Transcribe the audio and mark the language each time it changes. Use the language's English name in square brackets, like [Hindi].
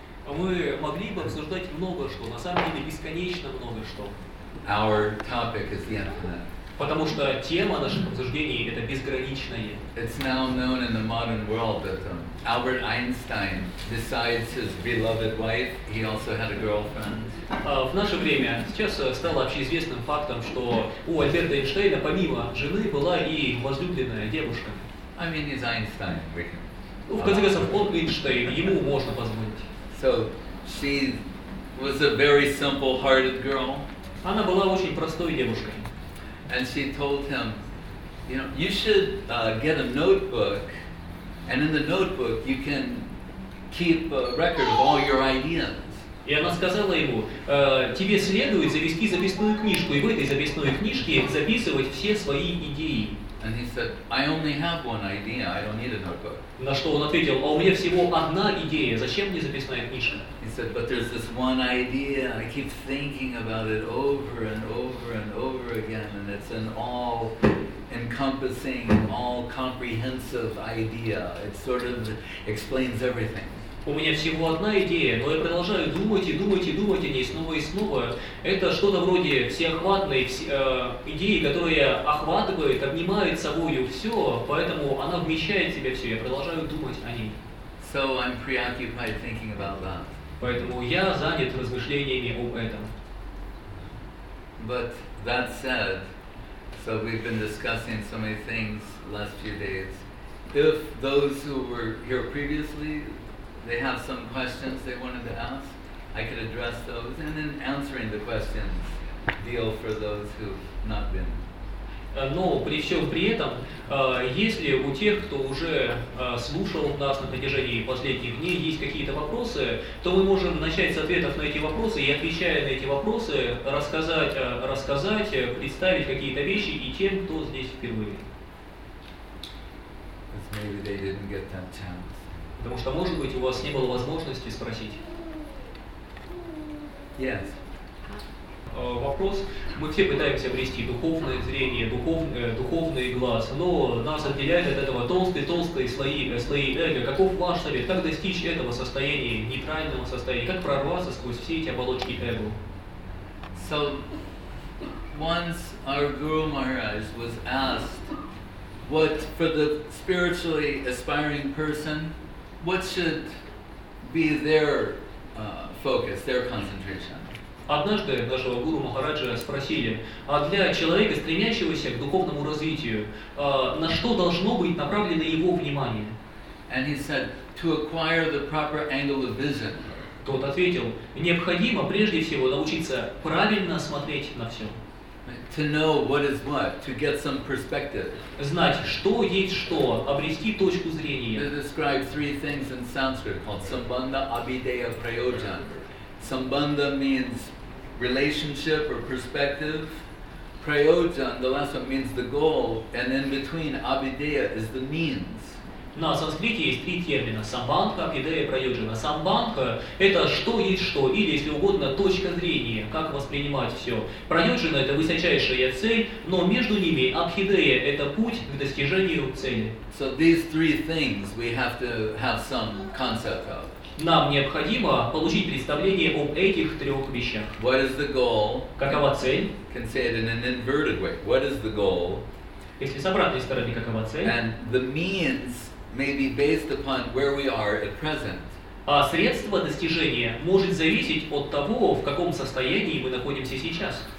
[Russian] Мы могли бы обсуждать много что, на самом деле бесконечно много что. [English] Our topic is the infinite. [Russian] Потому что тема наших обсуждений это безграничное. [English] It's now known in the modern world that Albert Einstein, besides his beloved wife, he also had a girlfriend. [Russian] В наше время сейчас стало общеизвестным фактом, что у Альберта Эйнштейна помимо жены была и возлюбленная девушка. [English] I mean, he's Einstein. We can. [Russian] В конце концов, он Эйнштейн, ему можно позволить. [English] So she was a very simple-hearted girl. [Russian] Она была очень простой девушкой. [English] And she told him, you know, you should get a notebook, and in the notebook you can keep a record of all your ideas. [Russian] И она сказала ему, тебе следует завести записную книжку, и в этой записной книжке записывать все свои идеи. [English] And he said, I only have one idea, I don't need a notebook. [Russian] На что он ответил, а у меня всего одна идея, зачем мне записная книжка? [English] He said, but there's this one idea, I keep thinking about it over and over and over again, and it's an all-encompassing, all-comprehensive idea. It sort of explains everything. [Russian] У меня всего одна идея, но я продолжаю думать и думать и думать о ней снова и снова. Это что-то вроде всеохватной идеи, которая охватывает, обнимает собою все, поэтому она вмещает в себя все, я продолжаю думать о ней. [English] So I'm preoccupied thinking about that. [Russian] Поэтому я занят размышлениями об этом. [English] But that said, so we've been discussing so many things last few days. If those who were here previously, they have some questions they wanted to ask, I could address those, and then answering the questions deal for those who've not been. [Russian] Но при всем при этом, если у тех, кто уже слушал нас на протяжении последних дней, есть какие-то вопросы, то мы можем начать с ответов на эти вопросы и, отвечая на эти вопросы, рассказать, представить какие-то вещи и тем, кто здесь впервые. [English] Maybe they didn't get that chance. [Russian] Потому что, может быть, у вас не было возможности спросить. [English] Yes. [Russian] Вопрос. Мы все пытаемся обрести духовное зрение, духовный глаз, но нас отделяют от этого толстые-толстые слои эго. Каков ваш совет? Как достичь этого состояния, нейтрального состояния? Как прорваться сквозь все эти оболочки эго? [English] So, once our Guru Maharaj was asked, what for the spiritually aspiring person, what should be their focus, their concentration? [Russian] Однажды нашего гуру Махараджа спросили, а для человека, стремящегося к духовному развитию, на что должно быть направлено его внимание? [English] And he said, to acquire the proper angle of vision. [Russian] Тот ответил, необходимо прежде всего научиться правильно смотреть на все. [English] To know what is what, to get some perspective. [Russian] Знать, что есть что, обрести точку зрения. [English] They describe three things in Sanskrit called sambandha, abhideya, prayojan. Sambandha means relationship or perspective. Prayojan, the last one, means the goal. And in between, abhideya is the means. [Russian] На санскрите есть три термина. Самбандха, абхидея, прайоджана. Самбандха – это что есть что, или, если угодно, точка зрения, как воспринимать все. Прайоджана – это высочайшая цель, но между ними абхидея – это путь к достижению цели. [English] So these three things we have to have some concept of. [Russian] Нам необходимо получить представление об этих трех вещах. [English] What is the goal? [Russian] Какова цель? [English] You can say it in an inverted way. What is the goal? [Russian] Если с обратной стороны, какова цель? [English] And the means may be based upon where we are at present. [Russian] А средство достижения может зависеть от того, в каком состоянии мы находимся сейчас.